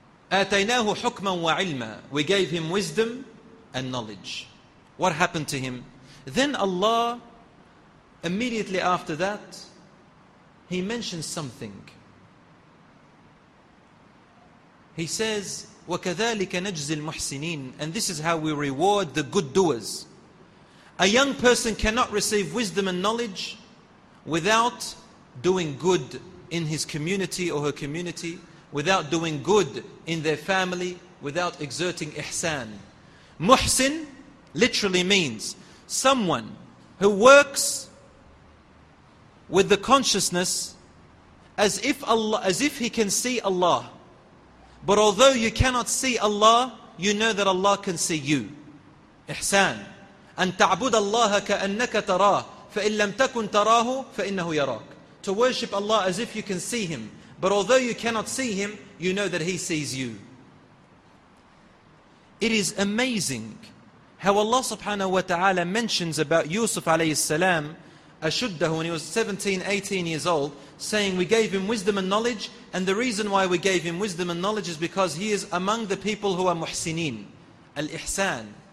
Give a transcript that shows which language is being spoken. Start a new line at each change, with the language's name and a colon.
Arabic: آتَيْنَاهُ حُكْمًا وَعِلْمًا.
English: We gave him wisdom and knowledge. What happened to him? Then Allah, immediately after that, he mentions something. He says,
Arabic: وَكَذَلِكَ نَجْزِي الْمُحْسِنِينَ.
English: And this is how we reward the good doers. A young person cannot receive wisdom and knowledge without doing good in his community or her community, without doing good in their family, without exerting ihsan. Muhsin literally means someone who works with the consciousness as if Allah, as if he can see Allah. But although you cannot see Allah, you know that Allah can see you. Ihsan.
Arabic: أن تعبد الله كأنك تراه فإن لم تكن تراه فإنه يراك.
English: To worship Allah as if you can see Him, but although you cannot see Him, you know that He sees you. It is amazing how Allah subhanahu wa ta'ala mentions about Yusuf alayhi salam, أشده, when he was 17, 18 years old, saying we gave him wisdom and knowledge, and the reason why we gave him wisdom and knowledge is because he is among the people who are muhsineen, al-ihsan.